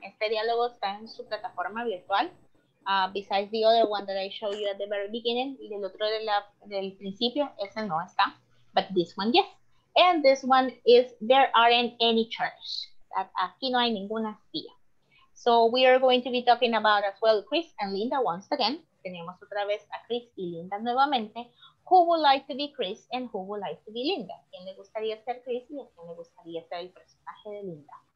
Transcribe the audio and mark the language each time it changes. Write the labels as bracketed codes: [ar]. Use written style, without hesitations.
[es] Este diálogo está en su plataforma virtual. [en] Besides the other one that I showed you at the very beginning, [es] y el otro del principio, ese no está. [en] But this one, yes. And this one is, there aren't any chairs. [es] Aquí no hay ninguna silla. [en] So we are going to be talking about as well Chris and Linda once again. [es] Tenemos otra vez a Chris y Linda nuevamente. [en] Who would like to be Chris and who would like to be Linda? [es] ¿Quién le gustaría ser Chris y a quién le gustaría ser el personaje de Linda?